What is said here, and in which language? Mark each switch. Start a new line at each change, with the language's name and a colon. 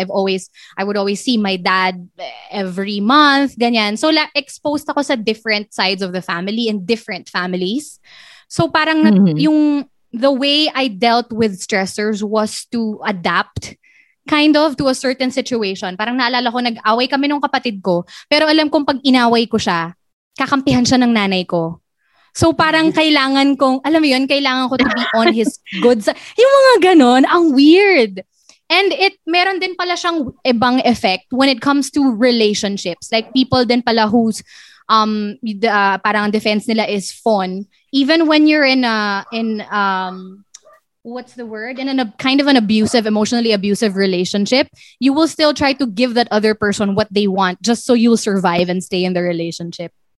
English: I would always see my dad every month, ganyan. So exposed
Filipino: ako sa
English: different sides of the family and different families. So
Filipino: parang yung...
English: The way I dealt with stressors was to adapt kind of to a certain situation.
Filipino: Parang naalala ko, nag-away kami nung kapatid ko. Pero alam kong pag inaway ko siya, kakampihan siya ng nanay ko. So parang kailangan kong, alam mo yun, kailangan ko
English: to be on his good side.
Filipino: Yung mga ganon, ang weird.
English: And it,
Filipino: meron din pala siyang ibang
English: effect when it comes to relationships. Like people
Filipino: din pala
English: who's,
Filipino: parang
English: defense
Filipino: nila
English: is fun. Even when you're in an abusive, emotionally abusive relationship, you will still try to give that other person what they want just so you'll survive and stay in the relationship.